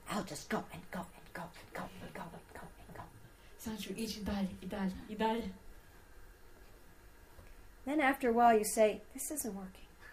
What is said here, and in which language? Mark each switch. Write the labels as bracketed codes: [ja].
[en] I'll just go and go and go and go and go and go and go. [hr] Sad ću ići dalje I dalje I dalje. [en] Then after a while you say, this isn't working.